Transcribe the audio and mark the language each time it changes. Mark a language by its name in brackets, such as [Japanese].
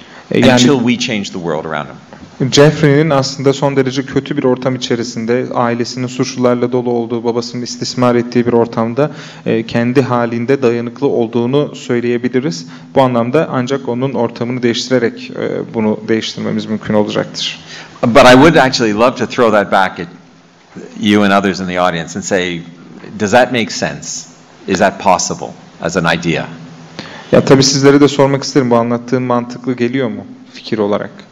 [English] Yani, until we change the world around him. [Turkish] Jeffrey'nin aslında son derece kötü bir ortam içerisinde, ailesinin suçlularla dolu olduğu, babasının istismar ettiği bir ortamda kendi halinde dayanıklı olduğunu söyleyebiliriz. Bu anlamda ancak onun ortamını değiştirerek bunu değiştirmemiz mümkün olacaktır. [English] But I would actually love to throw that back at you and others in the audience and say, does that make sense? Is that possible as an idea? [Turkish] Ya tabii sizlere de sormak isterim. Bu anlattığım mantıklı geliyor mu fikir olarak?